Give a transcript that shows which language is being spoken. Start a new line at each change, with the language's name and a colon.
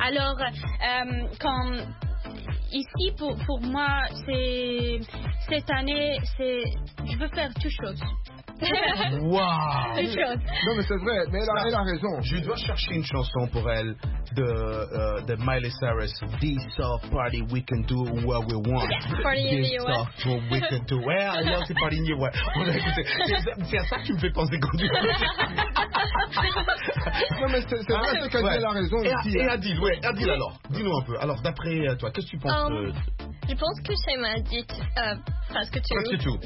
French: Alors, quand... Ici, pour moi, cette année, c'est... Je veux faire toutes choses. Waouh! Toutes choses. Non, mais c'est vrai, mais elle a raison. Je dois chercher une chanson pour elle de Miley Cyrus.
English: This party, we can do what we want. This party in the US.
French: C'est à ça que tu me fais penser quand tu... Non, mais c'est vrai, c'est qu'elle a raison. Et Adil, alors, dis-nous un peu. Alors, d'après toi, qu'est-ce que tu penses de... Je pense que Chaïma a dit presque tout.